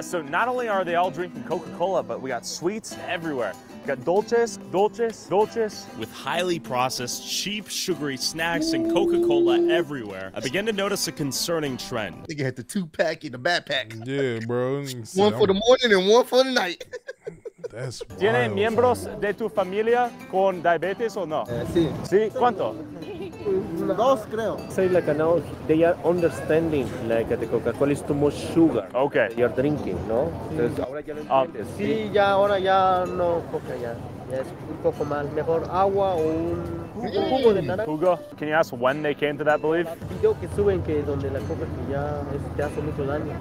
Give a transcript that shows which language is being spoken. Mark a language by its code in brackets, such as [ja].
[en] So not only are they all drinking Coca-Cola, but we got sweets everywhere. [es] Got dulces, dulces, dulces. [en] With highly processed, cheap, sugary snacks and Coca-Cola everywhere, I began to notice a concerning trend. I think you had the two-pack in the backpack. Yeah, bro. One for the morning and one for the night. That's wild. [es] ¿Tiene miembros de tu familia con diabetes o no? Sí. ¿Sí? ¿Cuánto? Dos, creo. [en] Say, like, now they are understanding, like, the Coca-Cola is too much sugar. Okay. You're drinking, no? [es] Sí, ya, ahora ya no coca ya. Es un poco mal. Mejor agua o un jugo de naranja. Jugo. [en] Can you ask when they came to that belief? [es] Yo que suben que donde la coca que ya te hace mucho daño.